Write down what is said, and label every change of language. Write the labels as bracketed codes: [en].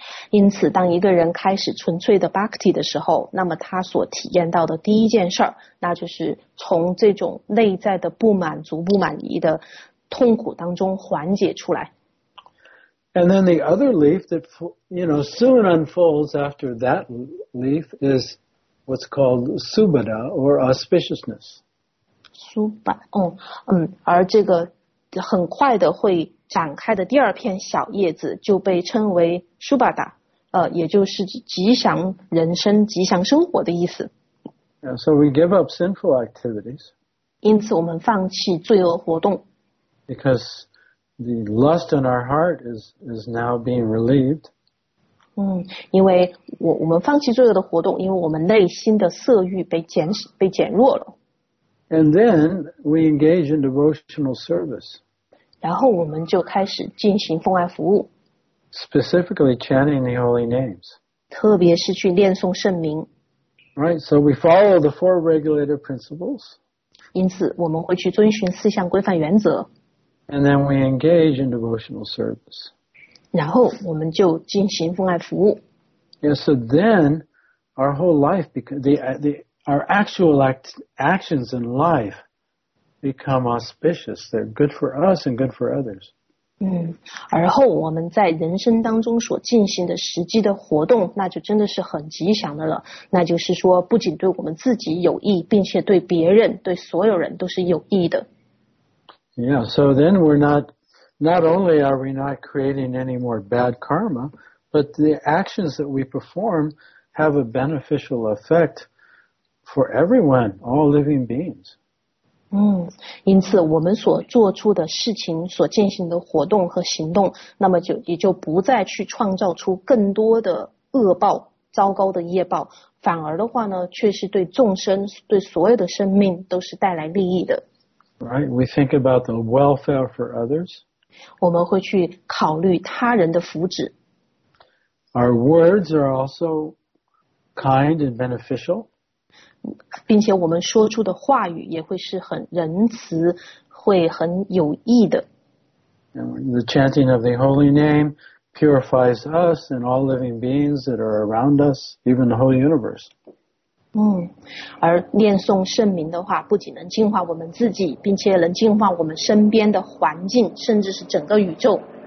[zh] 因此当一个人开始纯粹的 Bhakti 的时候，那么他所体验到的第一件事，那就是从这种内在的不满足不满意的痛苦当中缓解出来。 [en] And then the other leaf that, you know, soon unfolds after that leaf is what's called Subhada or auspiciousness. [zh] Subhada, 而这个很快的会展开的第二片小叶子就被称为 Subhada, 也就是吉祥人生、吉祥生活的意思。 [en] Yeah, so we give up sinful activities. [zh] 因此我们放弃罪恶活动。 [en] Because... The lust in our heart is now being relieved. [zh] 因为我们放弃罪恶的活动，因为我们内心的色欲被减弱了。 [en] And then we engage in devotional service. [zh] 然后我们就开始进行奉爱服务。 [en] Specifically chanting the holy names. [zh] 特别是去念诵圣名。 [en] Right, so we follow the four regulative principles. [zh] 因此我们会去遵循四项规范原则。 [en] And then we engage in devotional service. [zh] 然后我们就进行奉爱服务。 [en] Yes, so then our whole life, our actual actions in life become auspicious. They're good for us and good for others. [zh] 而后我们在人生当中所进行的实际的活动，那就真的是很吉祥的了。那就是说，不仅对我们自己有益，并且对别人、对所有人都是有益的。 [en] Yeah, so then we're not only are we not creating any more bad karma, but the actions that we perform have a beneficial effect for everyone, all living beings. [zh] 因此我们所做出的事情、所进行的活动和行动，那么就也就不再去创造出更多的恶报、糟糕的业报，反而的话呢，却是对众生、对所有的生命都是带来利益的。 [en] Right, we think about the welfare for others. [zh] 我们会去考虑他人的福祉。 [en] Our words are also kind and beneficial. [zh] 并且我们说出的话语也会是很仁慈，会很有益的。 [en] The chanting of the holy name purifies us and all living beings that are around us, even the whole universe. [zh] 而念诵圣名的话，不仅能净化我们自己，并且能净化我们身边的环境，甚至是整个宇宙。